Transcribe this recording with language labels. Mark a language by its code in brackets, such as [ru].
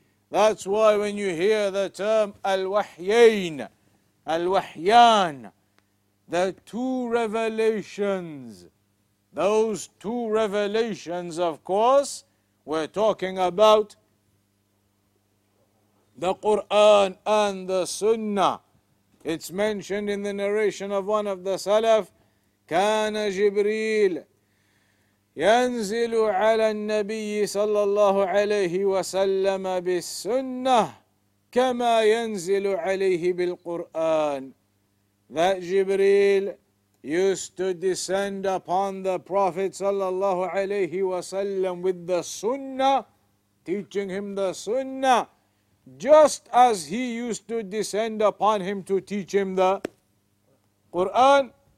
[en] That's why when you hear the term al-wahyayn, al-wahyan, the two revelations, those two revelations, of course, we're talking about the Quran and the Sunnah. It's mentioned in the narration of one of the Salaf, [ar] كان جبريل ينزل على النبي صلى الله عليه وسلم بالسنة كما ينزل عليه بالقرآن. [en] That Jibreel used to descend upon the Prophet [ar] صلى الله عليه وسلم [en] with the Sunnah, teaching him the Sunnah, just as he used to descend upon him to teach him the Quran.